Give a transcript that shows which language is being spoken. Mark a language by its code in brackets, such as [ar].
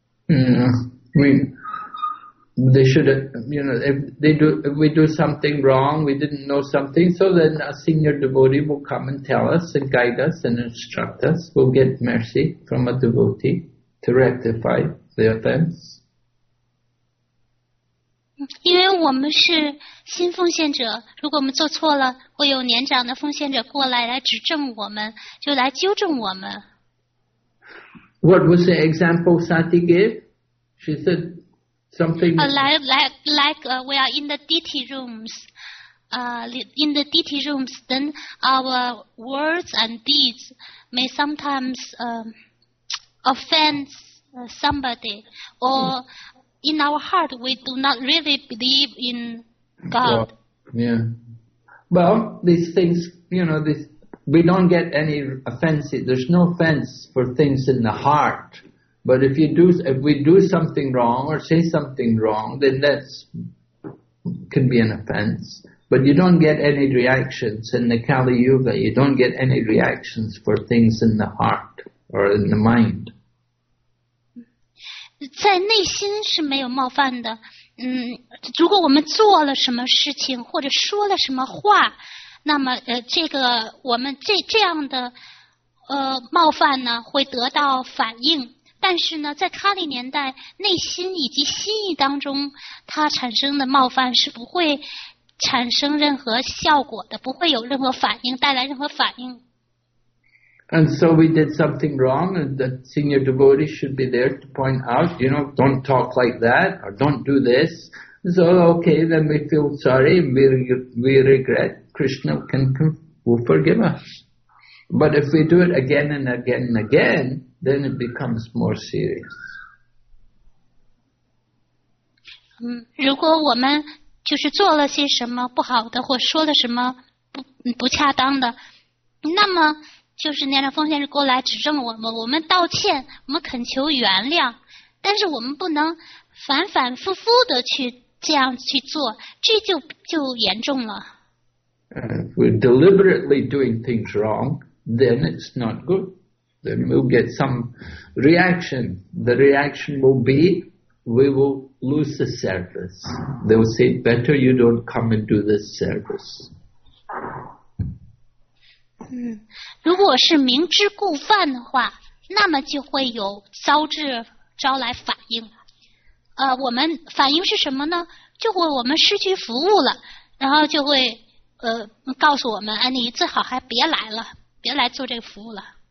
[en] I mean, they should, you know, if we do something wrong, we didn't know something, so then a senior devotee will come and tell us and guide us and instruct us. We'll get mercy from a devotee to rectify the offense. [zh] 因为我们是新奉献者，如果我们做错了，会有年长的奉献者过来来指正我们，就来纠正我们。 [en] What was the example Sati gave? She said something. We are in the deity rooms. In the deity rooms, then our words and deeds may sometimes offend somebody. Or in our heart, we do not really believe in God. Yeah. Well, these things, you know, this. We don't get any offense. There's no offense for things in the heart. But if we do something wrong or say something wrong, then that can be an offense. But you don't get any reactions in the Kali Yuga. You don't get any reactions for things in the heart or in the mind. [zh] 在内心是没有冒犯的。如果我们做了什么事情或者说了什么话，那么这个我们这样的冒犯呢会得到反应，但是呢在卡里年代内心以及心意当中它产生的冒犯是不会产生任何效果的，不会有任何反应，带来任何反应。 [en] And so we did something wrong and the senior devotee should be there to point out, you know, don't talk like that or don't do this. So okay, then we feel sorry, we regretKrishna will forgive us. But if we do it again and again and again, then it becomes more serious. [zh] 如果我们就是做了些什么不好的或说了什么不恰当的，那么就是念着奉献过来指正我们，我们道歉，我们恳求原谅，但是我们不能反反复复的去这样去做，这就严重了。 [en] If we're deliberately doing things wrong, then it's not good. Then we'll get some reaction. The reaction will be, we will lose the service. They'll say, better you don't come and do this service. [zh] 如果是明知故犯的话，那么就会有招致招来反应。我们反应是什么呢？就会我们失去服务了，然后就会告诉我们，哎，你最好还别来了，别来做这个服务了。